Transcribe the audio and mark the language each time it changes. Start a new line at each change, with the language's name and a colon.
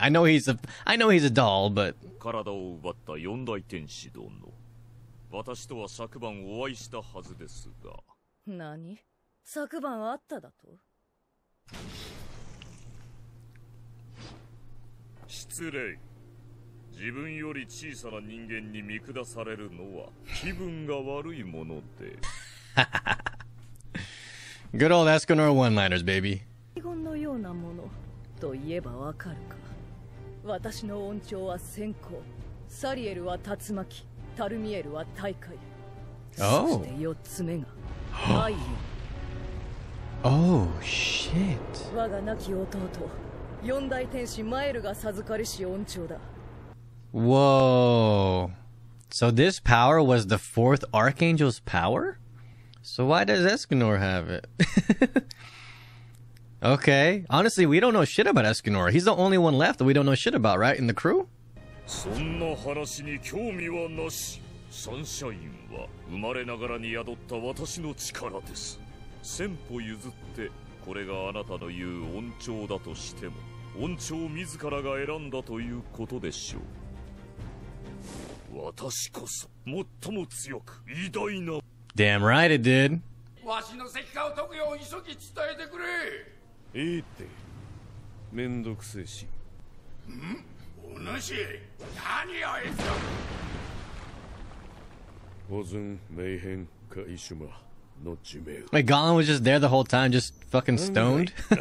English: I know he's a doll, but Good old Escanor one-liners, baby.
Japanese: のようなものと言えばわかるか。私の音調は閃光、サリエルは竜巻、タルミエルは大海。そして四つ目が太陽。
English: Oh shit。
Japanese: 我が亡き弟、四大天使マエルが授かりし音調だ。
English: Whoa. So this power was the fourth archangel's power? So why does Escanor have it? Okay. Honestly, we don't know shit about Escanor. He's the only one left that we don't know shit about, right? In the crew?
Japanese: そんな話に興味はなし。サンシャインは生まれながらに宿った私の力です。千歩譲ってこれがあなたの言う恩寵だとしても、恩寵自らが選んだということでしょう。私こそ最も強く偉大な。
English: Damn right it did。
Japanese: わしの石化を解くよう急ぎ伝えてくれ。いいって、めんどくせえし。ん？お主、何を言うぞ。保存、名変、カイシュマ、の地名。
English: Wait, Gollum was just there the whole time, just fucking stoned?